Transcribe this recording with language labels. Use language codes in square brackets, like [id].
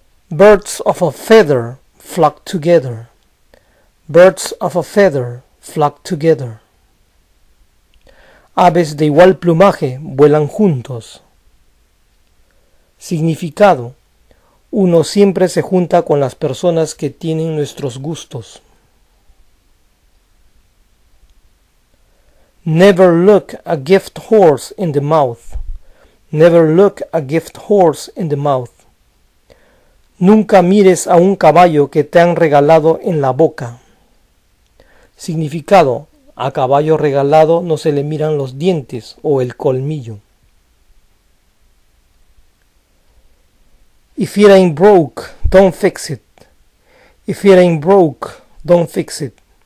[en] Birds of a feather flock together. Birds of a feather flock together. [es] Aves de igual plumaje vuelan juntos. Significado: uno siempre se junta con las personas que tienen nuestros gustos. [en] Never look a gift horse in the mouth. Never look a gift horse in the mouth. [es] Nunca mires a un caballo que te han regalado en la boca. Significado: a caballo regalado no se le miran los dientes o el colmillo. [en] If it ain't broke, don't fix it. If it ain't broke, don't fix it.